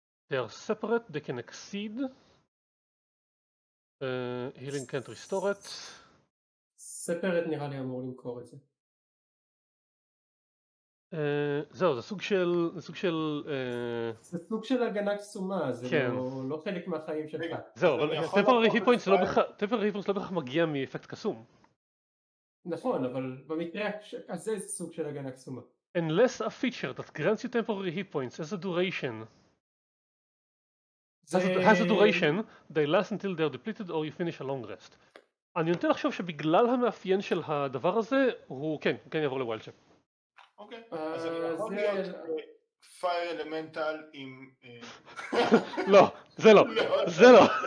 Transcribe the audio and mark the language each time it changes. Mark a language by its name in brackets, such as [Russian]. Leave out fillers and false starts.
[English] They are separate, they can exceed. Healing can't restore it. [Hebrew] Separate נראה לי אמור למכור את זה. זהו, זה סוג של... זה סוג של... זה סוג של הגנה קסומה, זה כן. לא חלק מהחיים שלך. זהו, אבל temporary hit points לא בכלל... temporary hit points לא בכלל מגיע מאפקט קסום. נכון, אבל במקרה הזה זה סוג של הגנה קסומה. [English] Unless a feature that grants you temporary hit points as a duration has a duration, they last until they are depleted or you finish a long rest. [Hebrew] אני נוטה לחשוב שבגלל המאפיין של הדבר הזה, הוא כן, כן יעבור לווילד שייפ. אוקיי, אז אני יכול להיות fire elemental עם... לא, זה לא, זה לא.